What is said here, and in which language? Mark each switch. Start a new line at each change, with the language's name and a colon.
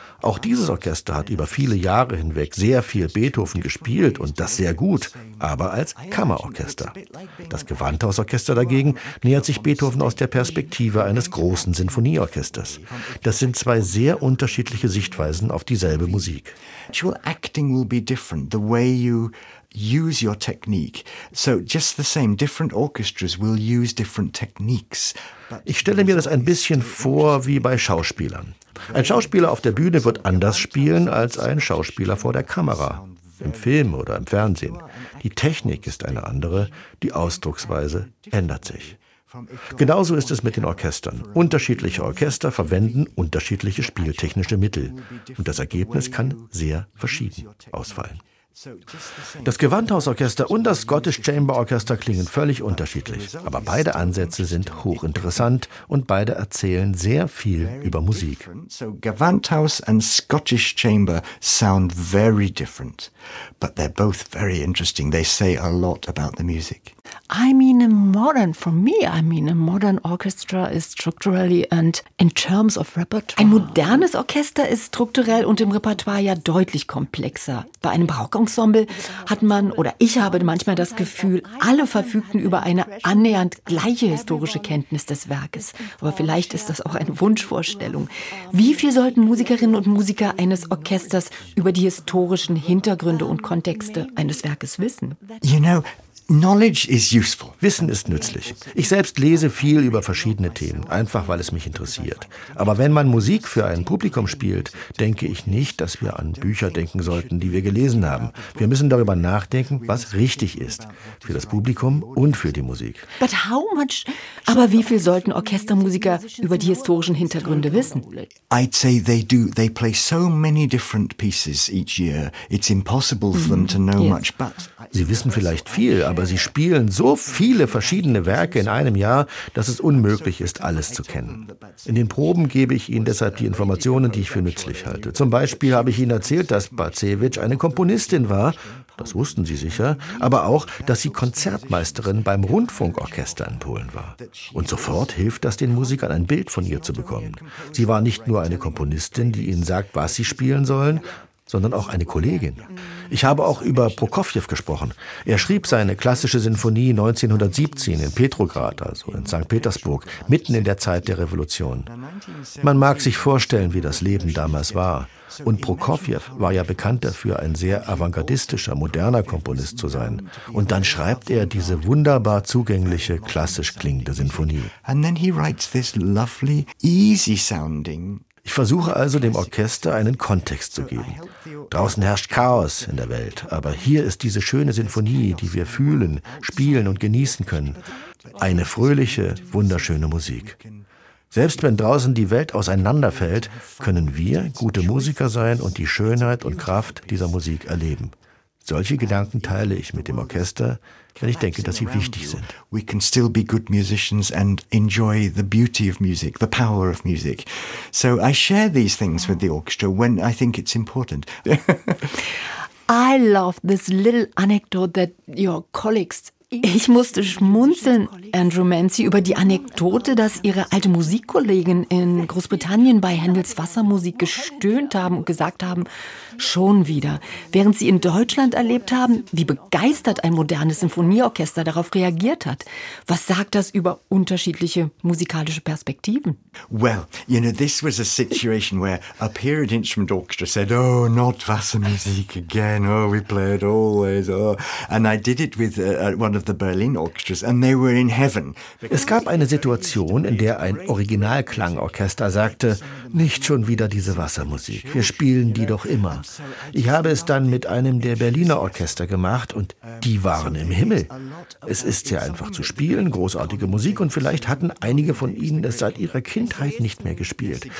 German: Auch dieses Orchester hat über viele Jahre hinweg sehr viel Beethoven gespielt und das sehr gut, aber als Kammerorchester. Das Gewandhausorchester dagegen nähert sich Beethoven aus der Perspektive eines großen Sinfonieorchesters. Das sind zwei sehr unterschiedliche Sichtweisen auf dieselbe Musik.
English: Actual acting will be different, the way you use your technique. So just the same, different orchestras will use different techniques.
German: Ich stelle mir das ein bisschen vor wie bei Schauspielern. Ein Schauspieler auf der Bühne wird anders spielen als ein Schauspieler vor der Kamera, im Film oder im Fernsehen. Die Technik ist eine andere, die Ausdrucksweise ändert sich. Genauso ist es mit den Orchestern. Unterschiedliche Orchester verwenden unterschiedliche spieltechnische Mittel. Und das Ergebnis kann sehr verschieden ausfallen. Das Gewandhausorchester und das Scottish Chamber Orchester klingen völlig unterschiedlich, aber beide Ansätze sind hochinteressant und beide erzählen sehr viel über Musik.
English: So Gewandhaus and Scottish Chamber sound very different, but they're both very interesting. They say a lot about the music. A modern orchestra is structurally and in terms of repertoire.
German: Ein modernes Orchester ist strukturell und im Repertoire ja deutlich komplexer. Bei einem Barockensemble hat man, oder ich habe manchmal das Gefühl, alle verfügten über eine annähernd gleiche historische Kenntnis des Werkes. Aber vielleicht ist das auch eine Wunschvorstellung. Wie viel sollten Musikerinnen und Musiker eines Orchesters über die historischen Hintergründe und Kontexte eines Werkes wissen?
English: You know, knowledge is useful.
German: Wissen ist nützlich. Ich selbst lese viel über verschiedene Themen, einfach weil es mich interessiert. Aber wenn man Musik für ein Publikum spielt, denke ich nicht, dass wir an Bücher denken sollten, die wir gelesen haben. Wir müssen darüber nachdenken, was richtig ist. Für das Publikum und für die Musik.
English: But how much?
German: Aber wie viel sollten Orchestermusiker über die historischen Hintergründe wissen?
English: I'd say they do. They play so many different pieces each year. It's impossible for them to know much. But
German: sie wissen vielleicht viel, aber sie spielen so viele verschiedene Werke in einem Jahr, dass es unmöglich ist, alles zu kennen. In den Proben gebe ich ihnen deshalb die Informationen, die ich für nützlich halte. Zum Beispiel habe ich ihnen erzählt, dass Bacevich eine Komponistin war. Das wussten sie sicher, aber auch, dass sie Konzertmeisterin beim Rundfunkorchester in Polen war. Und sofort hilft das den Musikern, ein Bild von ihr zu bekommen. Sie war nicht nur eine Komponistin, die ihnen sagt, was sie spielen sollen, sondern auch eine Kollegin. Ich habe auch über Prokofjew gesprochen. Er schrieb seine klassische Sinfonie 1917 in Petrograd, also in St. Petersburg, mitten in der Zeit der Revolution. Man mag sich vorstellen, wie das Leben damals war. Und Prokofjew war ja bekannt dafür, ein sehr avantgardistischer, moderner Komponist zu sein. Und dann schreibt er diese wunderbar zugängliche, klassisch klingende Sinfonie.
English: And then he writes this lovely, easy sounding.
German: Ich versuche also, dem Orchester einen Kontext zu geben. Draußen herrscht Chaos in der Welt, aber hier ist diese schöne Sinfonie, die wir fühlen, spielen und genießen können. Eine fröhliche, wunderschöne Musik. Selbst wenn draußen die Welt auseinanderfällt, können wir gute Musiker sein und die Schönheit und Kraft dieser Musik erleben. Solche Gedanken teile ich mit dem Orchester, denn ich denke, dass sie wichtig sind.
English: We can still be good musicians and enjoy the beauty of music, the power of music. So I share these things with the orchestra when I think it's important. I love this little anecdote that your colleagues.
German: Ich musste schmunzeln, Andrew Manzi, über die Anekdote, dass Ihre alte Musikkollegen in Großbritannien bei Händels Wassermusik gestöhnt haben und gesagt haben, schon wieder. Während Sie in Deutschland erlebt haben, wie begeistert ein modernes Sinfonieorchester darauf reagiert hat. Was sagt das über unterschiedliche musikalische Perspektiven?
English: Well, you know, this was a situation where a period instrument orchestra said, oh, not Wassermusik again, oh, we play it always, oh. And I did it with one of
German: Es gab eine Situation, in der ein Originalklangorchester sagte, nicht schon wieder diese Wassermusik, wir spielen die doch immer. Ich habe es dann mit einem der Berliner Orchester gemacht und die waren im Himmel. Es ist sehr einfach zu spielen, großartige Musik und vielleicht hatten einige von ihnen es seit ihrer Kindheit nicht mehr gespielt.